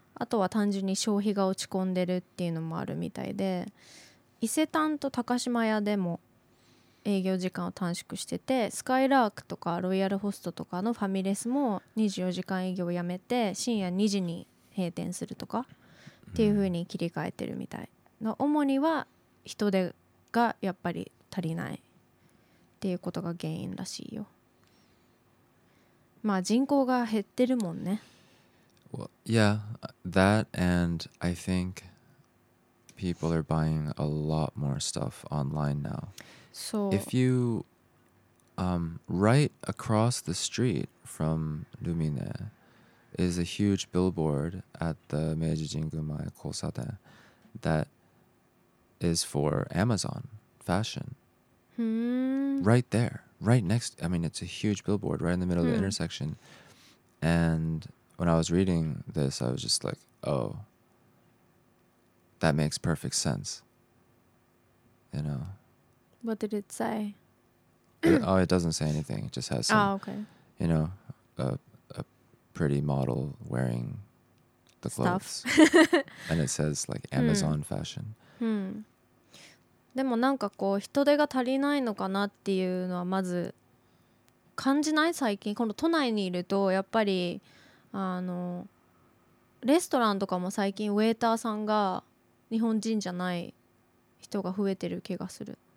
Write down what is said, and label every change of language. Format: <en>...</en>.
<ja>あとは単純に消費が落ち込んでるっていうのもあるみたいで、伊勢丹と高島屋でも営業時間を短縮してて、スカイラークとかロイヤルホストとかのファミレスも24時間営業をやめて深夜2時に閉店するとかっていう風に切り替えてるみたいの、主には人手がやっぱり足りないっていうことが原因らしいよ。まあ人口が減ってるもんね。</ja> <en>Well, yeah, that and I think people are buying a lot more stuff online now So, if you, right across the street from Lumine is a huge billboard at the Meiji Jingu Mae Kousaten that is for Amazon fashion. Hmm. Right there, right next. I mean, it's a huge billboard right in the middle of the intersection. And when I was reading this, I was just like, oh, that makes perfect sense. You know? What did it say? It doesn't say anything. It just has some, you know, a pretty model wearing the clothes. And it says like Amazon fashion. Hmm.</en> <ja>でもなんかこう人手が足りないのかなっていうのはまず感じない？最近この都内にいるとやっぱりあのレストランとかも最近ウェイターさんが日本人じゃない人が増えてる気がする。</ja>